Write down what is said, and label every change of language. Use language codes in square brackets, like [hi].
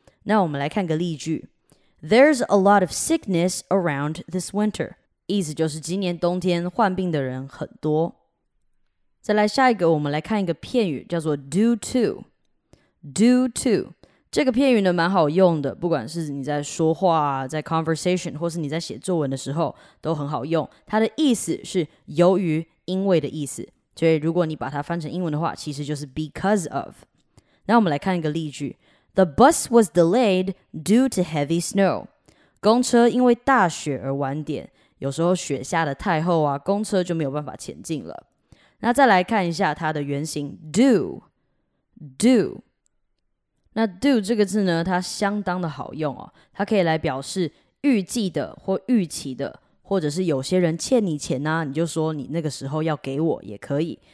[zh] 那我们来看个例句， [en] There's a lot of sickness around this winter. [zh] 意思就是今年冬天患病的人很多。再来下一个，我们来看一个片语，叫做 due to。due to 这个片语呢，蛮好用的，不管是你在说话、在 conversation 或是你在写作文的时候，都很好用。它的意思是由于、因为的意思。所以如果你把它翻成英文的话，其实就是 because of。那我们来看一个例句。 [en] The bus was delayed due to heavy snow. [zh] 公车因为大雪而晚点，有时候雪下的太厚啊，公车就没有办法前进了。那再来看一下它的原型 do。那 do 这个字呢，它相当的好用哦，它可以来表示预计的或预期的，或者是有些人欠你钱啊，你就说你那个时候要给我也可以。